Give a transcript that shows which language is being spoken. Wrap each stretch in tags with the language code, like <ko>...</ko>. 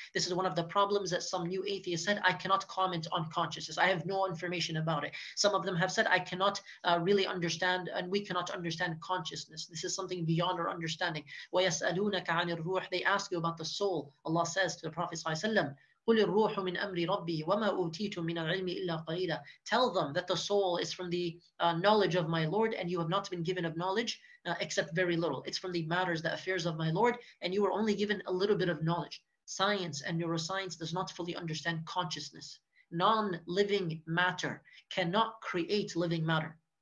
<en>This is one of the problems that some new atheists said, I cannot comment on consciousness. I have no information about it. Some of them have said, I cannot really understand, and we cannot understand consciousness. This is something beyond our understanding.</en> <ar>وَيَسْأَلُونَكَ عَنِ الرُّوحِ.</ar> <en>They ask you about the soul. Allah says to the Prophet ﷺ,</en> <ar>قل الروح من أمر ربي وما أوتيت من العلم إلا قليلا.</ar> <en>Tell them that the soul is from the knowledge of my Lord, and you have not been given of knowledge except very little. It's from the matters, the affairs of my Lord, and you were only given a little bit of knowledge. Science and neuroscience does not fully understand consciousness. Non-living matter cannot create living matter.</en>